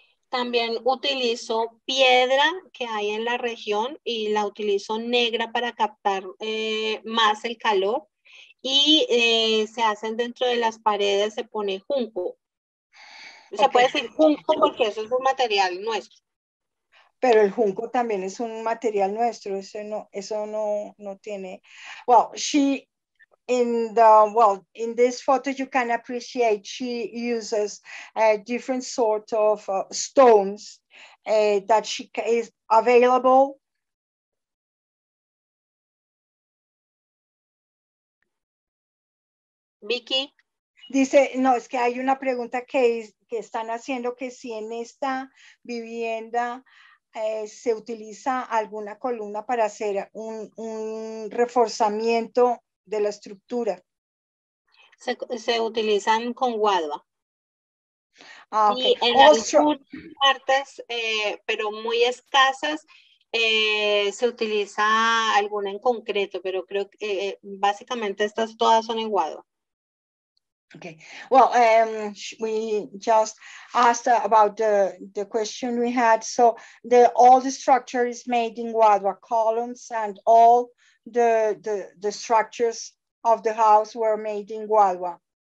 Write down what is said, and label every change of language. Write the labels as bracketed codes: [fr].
[es] También utilizo piedra que hay en la región y la utilizo negra para captar más el calor y se hacen dentro de las paredes, se pone junco. Se okay. puede decir junco porque eso es un material nuestro. Pero el junco también es un material nuestro, eso no, no tiene. [en] Well, she, in the, well, in this photo you can appreciate she uses a different sort of stones that she is available. [es] Vicky. Dice, no, es que hay una pregunta que, es, que están haciendo que si en esta vivienda se utiliza alguna columna para hacer un reforzamiento de la estructura. Se utilizan con guadua. [en] Ah, okay. [es] Y en algunas partes, pero muy escasas, se utiliza alguna en concreto, pero creo que básicamente estas todas son en guadua. [en] Okay, well, we just asked about the question we had. So the all the structure is made in guadua columns and all the structures of the house were made in guadua.